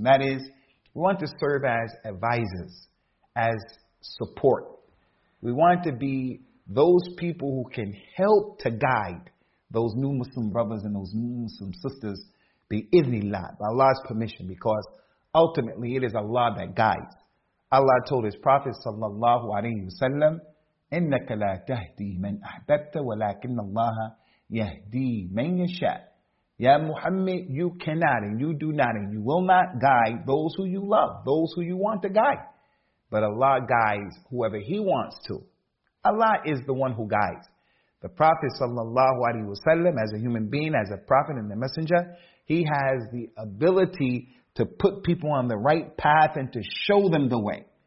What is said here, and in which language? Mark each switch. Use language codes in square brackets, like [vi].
[en] And that is, we want to serve as advisors, as support. We want to be those people who can help to guide those new Muslim brothers and those new Muslim sisters, bi-idhnillah, by Allah's permission, because ultimately it is Allah that guides. Allah told His Prophet sallallahu alayhi wa sallam, [ar] إِنَّكَ لَا تَهْدِي مَنْ أَحْبَبْتَ وَلَكِنَّ اللَّهَ يَهْدِي مَنْ يَشَاءُ. [en] Ya Muhammad, you cannot and you do not and you will not guide those who you love, those who you want to guide. But Allah guides whoever He wants to. Allah is the one who guides. The Prophet sallallahu alaihi wasallam, as a human being, as a prophet and the messenger, he has the ability to put people on the right path and to show them the way.